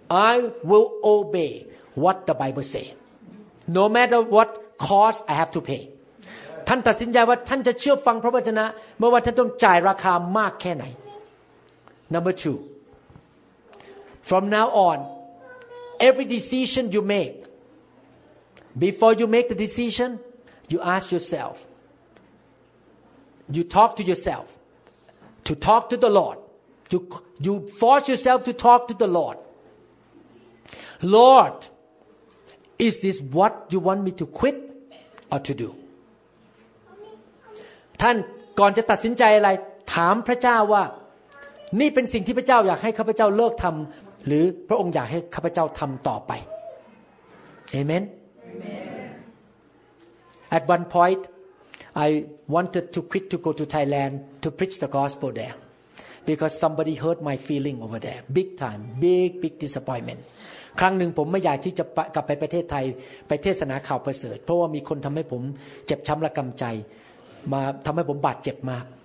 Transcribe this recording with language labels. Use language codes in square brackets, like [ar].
[en] I will obey what the Bible say no matter what cost I have to pay [th] ท่านตัดสินใจว่าท่านจะเชื่อฟังพระวจนะไม่ว่าท่านต้องจ่ายราคามากแค่ไหน [en] number two from now on every decision you make before you make the decision you ask yourselfYou talk to yourself, to talk to the Lord. You force yourself to talk to the Lord. Lord, is this what you want me to quit or to do? [th] ท่านก่อนจะตัดสินใจอะไรถามพระเจ้าว่านี่เป็นสิ่งที่พระเจ้าอยากให้ข้าพเจ้าเลิกทำหรือพระองค์อยากให้ข้าพเจ้าทำต่อไป [en] Amen. At one point. I wanted to quit to go to Thailand to preach the gospel there because somebody hurt my feeling over there big time big disappointment [th] ครั้งหนึ่งผมไม่อยากที่จะกลับไปประเทศไทยไปเทศนาข่าวประเสริฐเพราะว่ามีคนทำให้ผมเจ็บช้ำระกำใจมาทำให้ผมบาดเจ็บมาก